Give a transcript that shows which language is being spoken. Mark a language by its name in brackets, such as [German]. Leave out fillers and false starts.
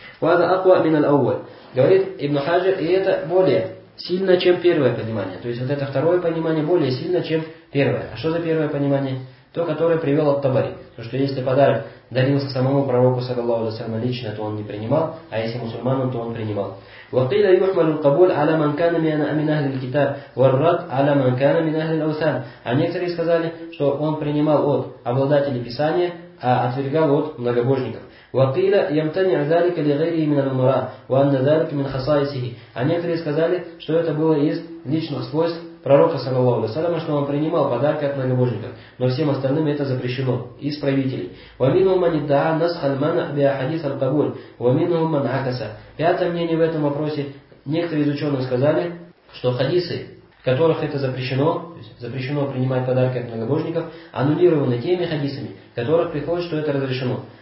[Arabic] «Ваза акуа мин аль-ауаль», [Russian] говорит Ибн Хаджар, и это более сильно, чем первое понимание. То есть вот это второе понимание более сильно, чем первое. А что за первое понимание? То, которое привел Ат-Табари. То, что если подарок дарился самому пророку, саллаллаху алейхи ва саллям, лично, то он не принимал, а если мусульманам, то он принимал. [Arabic] وقيل يحمل القبول على من كان من أهل الكتاب والرد على من كان من أهل الأوثان. [Russian] А некоторые сказали, что он принимал от обладателей Писания, а отвергал от многобожников. [Arabic] وقيل يمتنع ذلك لغيره من المراء وأن ذلك من خصائصه. [Russian] А некоторые сказали, что это было из личных свойств пророка саллаллаху алейхи ва саллям, что он принимал подарки от многобожников, но всем остальным это запрещено из правителей. [Arabic] وَمِنْهُمْ مَنْ يَدْعَى نَسْخَ الْمَنَعِ بِأَحَادِيثِ الْقَبُولِ وَمِنْهُمْ مَنْ عَكَسَ. [Russian] Пятое мнение в этом вопросе. Некоторые из ученых сказали, что хадисы, в которых это запрещено, то есть запрещено принимать подарки от многобожников, аннулированы теми хадисами, в которых приходит, что это разрешено.